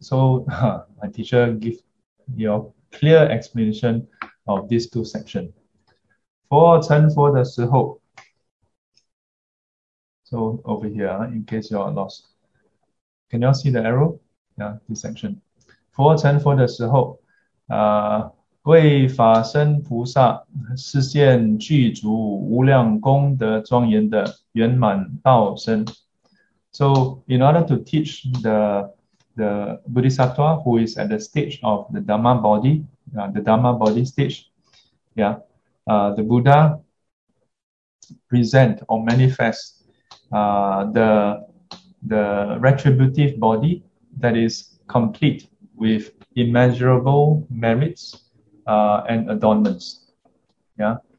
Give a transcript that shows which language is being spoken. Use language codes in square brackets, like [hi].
[en] So, my teacher give your clear explanation of these two sections. [zh] 佛成佛的时候. [en] So over here, in case you are lost, can you all see the arrow? Yeah, this section. [zh] 佛成佛的时候, 为法身菩萨实现具足无量功德庄严的圆满道身. [en] So in order to teach the Bodhisattva who is at the stage of the Dhamma body, the Dhamma body stage, the Buddha present or manifest the retributive body that is complete with immeasurable merits and adornments. Yeah.